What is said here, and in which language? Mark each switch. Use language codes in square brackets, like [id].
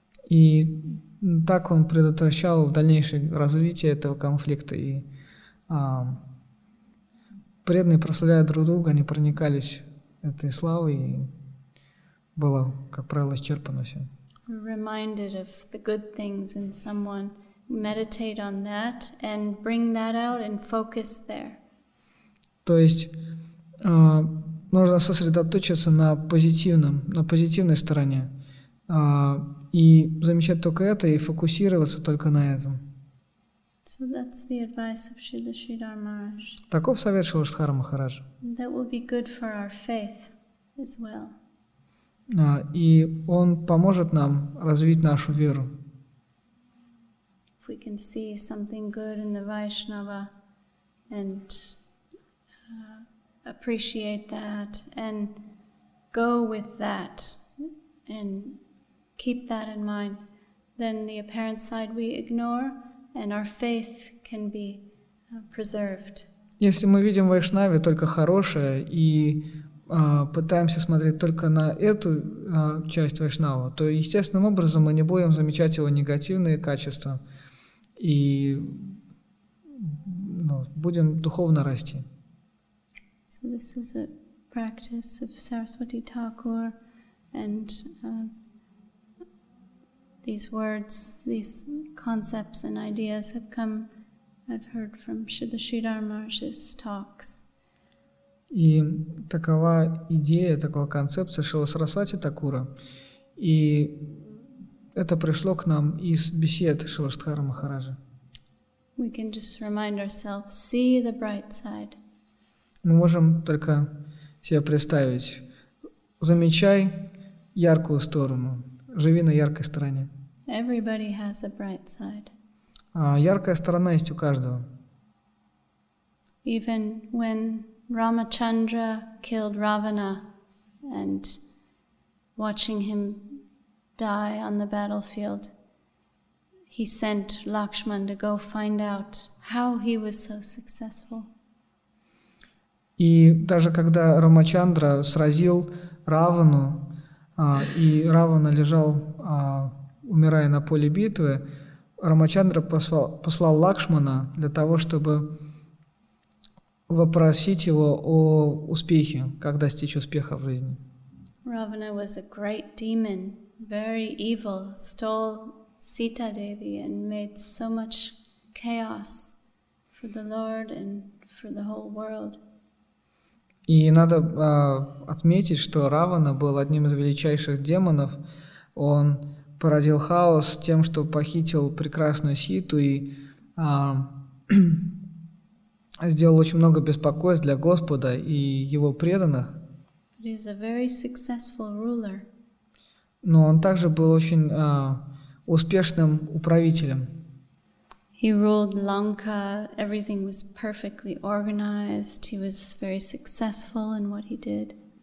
[ru] И так он предотвращал дальнейшее развитие этого конфликта, и преданные, прославляя друг друга, они проникались этой славой, и было, как правило, исчерпано все. [en] Reminded of the good things in someone, meditate on that and bring that out and focus there. [ru] То есть нужно сосредоточиться на позитивном, на позитивной стороне, и замечать только это, и фокусироваться только на этом. [en] So that's the advice of Srila Sridhar Maharaj. [ru] Таков совет Шрила Сридхара Махараджа. [en] That will be good for our faith as well. [ru] И он поможет нам развить нашу веру. [en] If we can see something good in the Vaishnava and appreciate that and go with that and keep that in mind, then the apparent side we ignore and our faith can be preserved. [ru] Если мы видим в Вайшнаве только хорошее и пытаемся смотреть только на эту часть Вайшнава, то естественным образом мы не будем замечать его негативные качества и будем духовно расти. [en] This is a practice of Saraswati Thakur, and these words, these concepts and ideas have come, I've heard from Srila Sridhar Maharaj's talks. [ru] И такова идея, такова концепция Шрилы Сарасвати Такура. И это пришло к нам из бесед Шрилы Шридхара Махараджа. [en] We can just remind ourselves, see the bright side. [ru] Мы можем только себе представить. Замечай яркую сторону. Живи на яркой стороне. [en] Everybody has a bright side. [ru] А яркая сторона есть у каждого. [en] Even when Ramachandra killed Ravana and watching him die on the battlefield, he sent Lakshman to go find out how he was so successful. [ru] И даже когда Рамачандра сразил Равану, и Равана лежал, умирая на поле битвы, Рамачандра послал Лакшмана для того, чтобы вопросить его о успехе, как достичь успеха в жизни. [en] Ravana was a great demon, very evil, stole Sita Devi and made so much chaos for the Lord and for the whole world. [ru] И надо отметить, что Равана был одним из величайших демонов. Он породил хаос тем, что похитил прекрасную Ситу и сделал очень много беспокойств для Господа и его преданных. [en] He is a very successful ruler. [ru] Но он также был очень успешным управителем. [en] He ruled Lanka. Everything was perfectly organized. He was very successful in what he did.